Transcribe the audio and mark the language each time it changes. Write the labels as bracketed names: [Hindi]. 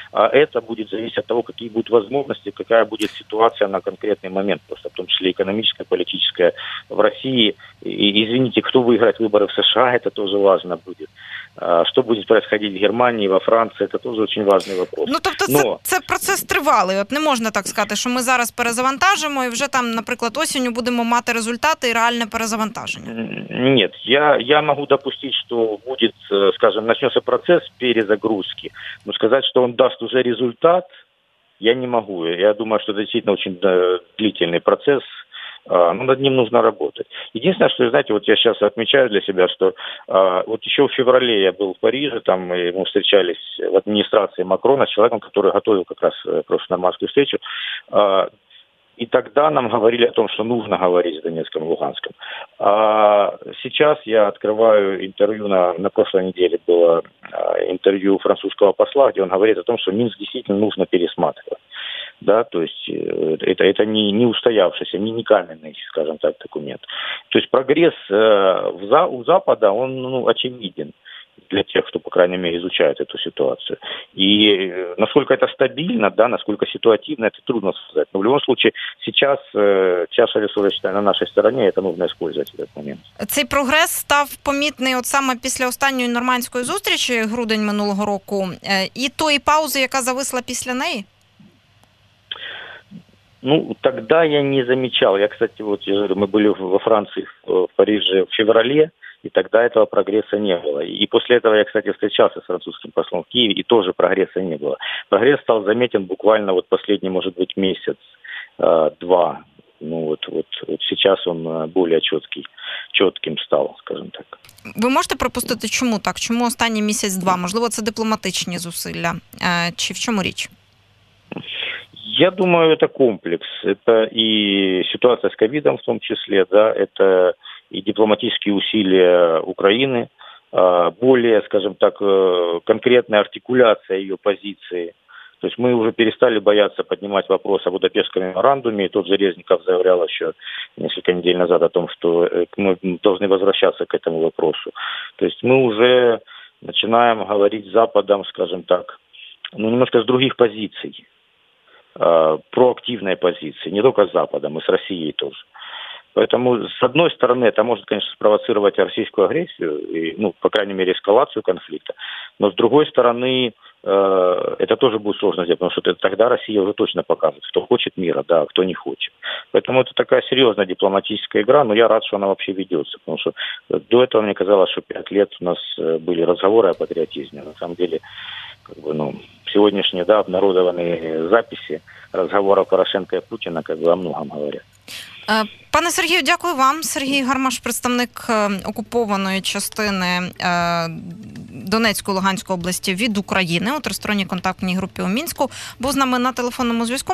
[Russian] А это будет зависеть от того, какие будут возможности, какая будет ситуация на конкретный момент просто, в том числе экономическая, политическая в России. И, извините, кто выиграет выборы в США, это тоже важно будет. Что будет происходить в Германии, во Франции, это тоже очень важный вопрос. [Ukrainian] Ну, тобто, це процес тривалий. От не можна так сказати, що ми зараз перезавантажимо і вже там, наприклад, осінню будемо мати результати і реальне перезавантаження. [Russian] Нет, я могу допустить, что будет, скажем, начнется процесс перезагрузки, но сказать, что он даст уже результат, я не могу. Я думаю, что это действительно очень длительный процесс. Но над ним нужно работать. Единственное, что, знаете, вот я сейчас отмечаю для себя, что вот еще в феврале я был в Париже, там мы встречались в администрации Макрона с человеком, который готовил как раз просто нормандскую встречу. И тогда нам говорили о том, что нужно говорить с Донецком и Луганском. А сейчас я открываю интервью, на прошлой неделе было интервью французского посла, где он говорит о том, что Минск действительно нужно пересматривать. Да, то есть это не устоявшийся, не каменный, скажем так, документ. То есть прогресс у Запада, он, ну, очевиден для тех, кто, по крайней мере, изучает эту ситуацию. И насколько это стабильно, да, насколько ситуативно, это трудно сказать. Но в любом случае, сейчас чаша весов на нашей стороне, это нужно использовать в этот момент. [Ukrainian] Цей прогрес став помітний от саме після останньої нормандської зустрічі, грудень минулого року, і тої паузи, яка зависла після неї? [Russian] Ну, тогда я не замечал. Я, кстати, вот я говорю, мы были во Франции, в Париже в феврале, и тогда этого прогресса не было. И после этого я, кстати, встречался с французским послом в Киеве, и тоже прогресса не было. Прогресс стал заметен буквально вот последний, может быть, месяц-два. Ну, вот сейчас он более четким стал, скажем так. [Ukrainian] Ви можете пропустити, чому так? Чому останній місяць-два? Можливо, це дипломатичні зусилля? Чи в чому річ? [Russian] Я думаю, это комплекс. Это и ситуация с ковидом в том числе, да, это и дипломатические усилия Украины, более, скажем так, конкретная артикуляция ее позиции. То есть мы уже перестали бояться поднимать вопрос о Будапештском меморандуме, и тот же Резников заявлял еще несколько недель назад о том, что мы должны возвращаться к этому вопросу. То есть мы уже начинаем говорить с Западом, скажем так, ну, немножко с других позиций. Проактивной позиции, не только с Западом, и с Россией тоже. Поэтому, с одной стороны, это может, конечно, спровоцировать российскую агрессию, и, ну, по крайней мере, эскалацию конфликта, но, с другой стороны, это тоже будет сложно сделать, потому что тогда Россия уже точно покажет, кто хочет мира, да, а кто не хочет. Поэтому это такая серьезная дипломатическая игра, но я рад, что она вообще ведется, потому что до этого мне казалось, что 5 лет у нас были разговоры о патриотизме. На самом деле, как бы, [Ukrainian] ну, сьогоднішні, да, обнародовані записи розмови Порошенка і Путіна, як вам многом говорять. Пане Сергію, дякую вам. Сергій Гармаш, представник окупованої частини Донецької, Луганської області від України у тристоронній контактній групі у Мінську, був з нами на телефонному зв'язку.